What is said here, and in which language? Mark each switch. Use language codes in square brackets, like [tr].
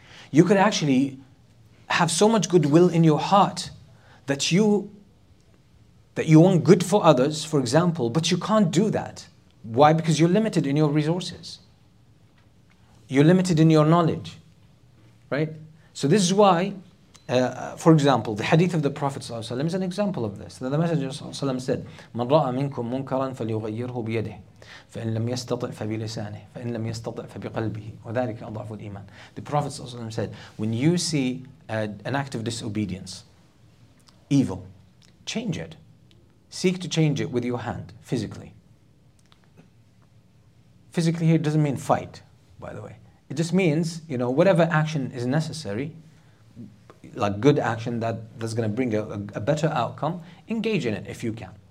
[en] You could actually have so much goodwill in your heart that you want good for others, for example, but you can't do that. Why? Because you're limited in your resources. You're limited in your knowledge, right? So this is why, for example, the hadith of the Prophet ﷺ is an example of this. The Messenger ﷺ said, [ar] مَنْ رَأَ مِنْكُمْ مُنْكَرًا فَلْيُغَيِّرْهُ بِيَدِهِ فَإِنْ لَمْ يَسْتَطِعْ فَبِلِسَانِهِ فَإِنْ لَمْ يَسْتَطِعْ فَبِقَلْبِهِ وَذَلِكَ أَضْعَفُ الْإِيمَانِ [en] The Prophet ﷺ said, when you see an act of disobedience, evil, change it. Seek to change it with your hand, physically. Physically here doesn't mean fight, by the way. It just means, you know, whatever action is necessary, like good action that's going to bring a better outcome, engage in it if you can.